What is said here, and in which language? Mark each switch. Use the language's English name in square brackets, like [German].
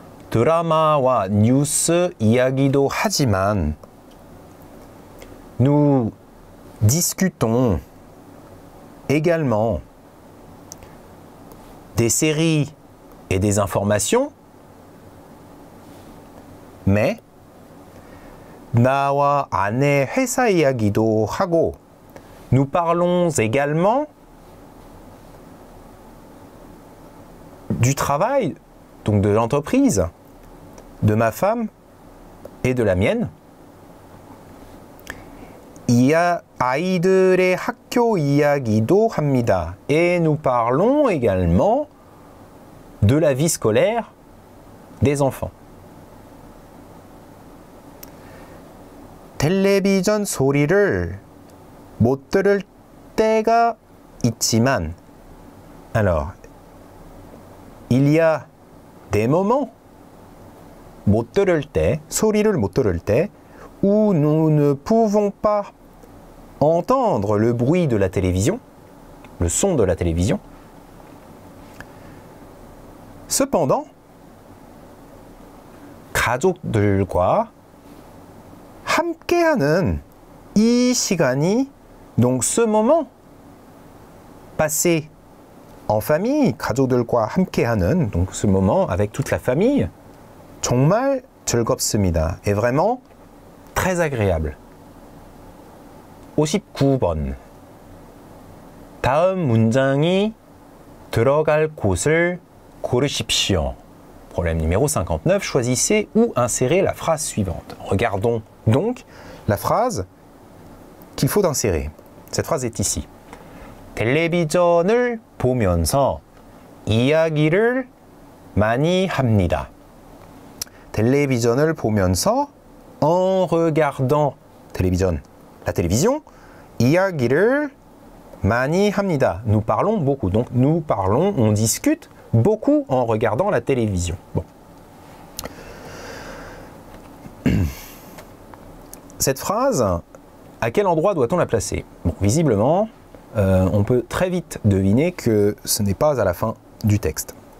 [Korean] 드라마와 뉴스 이야기도 하지만 [French] nous discutons également des séries et des informations, mais [Korean] 나와 아내 회사 이야기도 하고 [French] nous parlons également du travail, donc de l'entreprise, de ma femme et de la mienne. [Korean] 아이들의 학교 이야기도 합니다. [French] Et nous parlons également de la vie scolaire des enfants. [Korean] 텔레비전 소리를 못 들을 때가 있지만 [French] Alors, il y a des moments [Korean] 못 들을 때, 소리를 못 들을 때 [French] où nous ne pouvons pas entendre le bruit de la télévision, le son de la télévision. Cependant, [Korean] 가족들과 함께하는 이 시간이 [French] donc ce moment passé en famille, [Korean] 가족들과 함께하는 [French] donc ce moment avec toute la famille [Korean] 정말 즐겁습니다. [French] Est vraiment très agréable. [Korean] 59번 다음 문장이 들어갈 곳을 고르십시오. [French] Problème numéro 59. Choisissez où insérer la phrase suivante. Regardons donc la phrase qu'il faut insérer. Cette phrase est ici. [Korean] 텔레비전을 보면서 이야기를 많이 합니다. 텔레비전을 보면서 [French] en regardant [Korean] 텔레비전, [French] la télévision [Korean] 이야기를 많이 합니다. [French] Nous parlons beaucoup. Donc nous parlons, on discute beaucoup en regardant la télévision. Bon. Cette phrase, à quel endroit doit-on la placer? Bon, visiblement, on peut très vite deviner que ce n'est pas à la fin du texte.